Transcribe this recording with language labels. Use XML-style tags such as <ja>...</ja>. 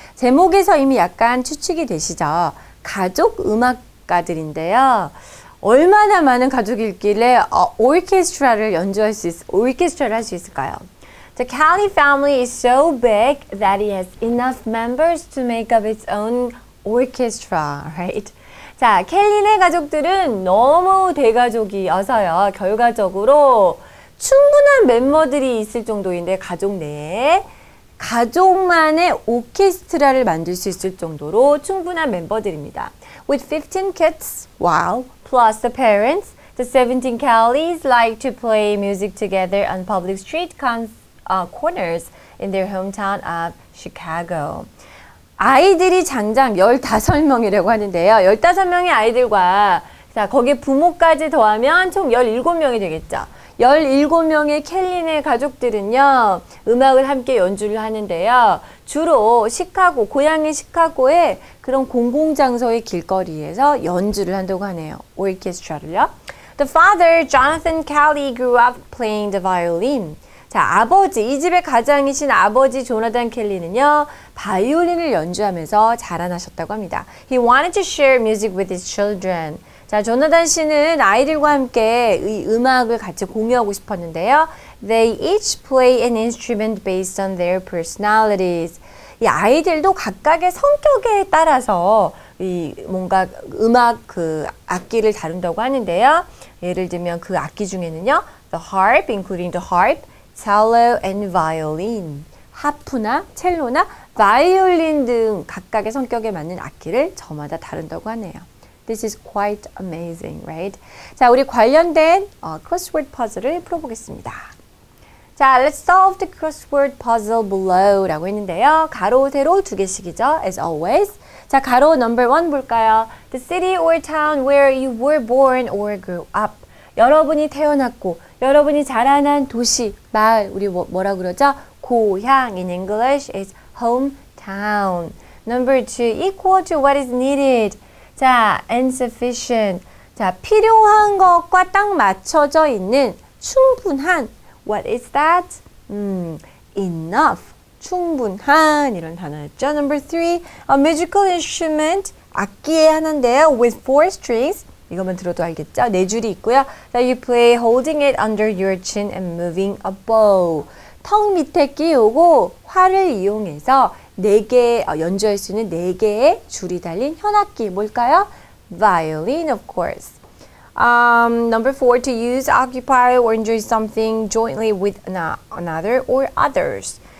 <ko>제목에서 이미 약간 추측이 되시죠? 가족 음악가들인데요. 얼마나 많은 가족이 있길래 오케스트라를 연주할 수 있, 오케스트라를 할수 있을까요?</ko> <en>The Kelly family is so big that it has enough members to make up its own orchestra, right?</en> <ko>자, 켈리네 가족들은 너무 대가족이어서요. 결과적으로 충분한 멤버들이 있을 정도인데 가족 내에 가족만의 오케스트라를 만들 수 있을 정도로 충분한 멤버들입니다.</ko> <en>With 15 kids, wow, plus the parents, the 17 Kellys like to play music together on public street corners in their hometown of Chicago.</en> <ko>아이들이 장장 15명이라고 하는데요. 15명의 아이들과, 자, 거기에 부모까지 더하면 총 17명이 되겠죠. 17명의 켈린의 가족들은요, 음악을 함께 연주를 하는데요. 주로 시카고, 고향의 시카고의 그런 공공장소의 길거리에서 연주를 한다고 하네요. 오케스트라를요.</ko> <en>The father, Jonathan Kelly, grew up playing the violin.</en> <ko>자, 아버지, 이 집의 가장이신 아버지 조나단 켈리는요, 바이올린을 연주하면서 자라나셨다고 합니다.</ko> <en>He wanted to share music with his children.</en> <ko>자, 조나단 씨는 아이들과 함께 이 음악을 같이 공유하고 싶었는데요.</ko> <en>They each play an instrument based on their personalities.</en> <ko>이 아이들도 각각의 성격에 따라서 이 뭔가 음악 그 악기를 다룬다고 하는데요. 예를 들면 그 악기 중에는요,</ko> <en>the harp, including the harp, cello and violin,</en> <ko>하프나 첼로나 바이올린 등 각각의 성격에 맞는 악기를 저마다 다룬다고 하네요.</ko> <en>This is quite amazing, right?</en> <ko>자, 우리 관련된 crossword puzzle을 풀어보겠습니다.</ko> <en>자, let's solve the crossword puzzle below라고 했는데요.</en> <ko>가로, 세로 두 개씩이죠, as always. 자, 가로 number one 볼까요?</ko> <en>The city or town where you were born or grew up.</en> <ko>여러분이 태어났고 여러분이 자라난 도시, 마을, 우리 뭐라 그러죠?</ko> <en>고향 in English is hometown. Number two, equal to what is needed. 자, insufficient.</en> <ko>자, 필요한 것과 딱 맞춰져 있는 충분한.</ko> <en>What is that? Enough.</en> <ko>충분한 이런 단어였죠.</ko> <en>Number three, a musical instrument.</en> <ko>악기에 하나인데요.</ko> <en>With four strings.</en> <ko>이것만 들어도 알겠죠? 네 줄이 있고요.</ko> <en>That you play holding it under your chin and moving a bow.</en> <ko>턱 밑에 끼우고 활을 이용해서 네 개, 연주할 수 있는 네 개의 줄이 달린 현악기 뭘까요?</ko> <en>Violin, of course. Number four, to use, occupy, or enjoy something jointly with another or others.</en>